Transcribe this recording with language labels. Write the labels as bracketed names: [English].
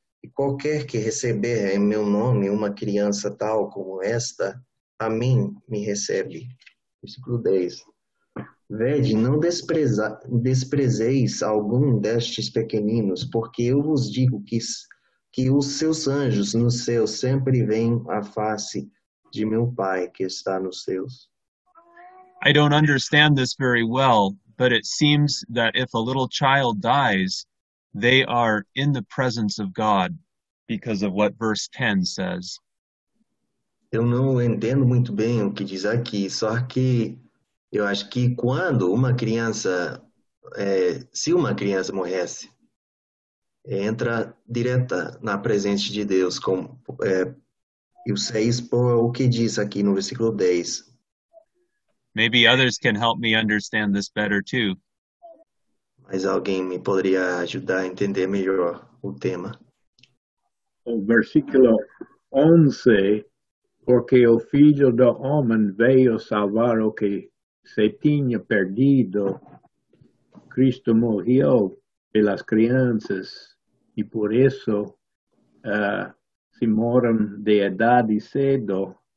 [Portuguese] E qualquer que receber em meu nome uma criança tal como esta, a mim me recebe. Versículo 10. Vede, não desprezeis algum destes pequeninos, porque eu vos digo que os seus anjos no céu sempre veem a face de meu Pai que está nos céus. [English] I don't understand this very well, but it seems that if a little child dies, they are in the presence of God because of what verse 10 says. [Portuguese] Eu não entendo muito bem o que diz aqui, só que eu acho que quando uma criança, se uma criança morresse, entra direta na presença de Deus. Eu sei expor o que diz aqui no versículo 10. [English] Maybe others can help me understand this better too. [Portuguese] Mas alguém me poderia ajudar a entender melhor o tema. O versículo 11, porque o Filho do Homem veio salvar o que se tinha perdido. Cristo morreu pelas crianças e por isso se moram de idade cedo.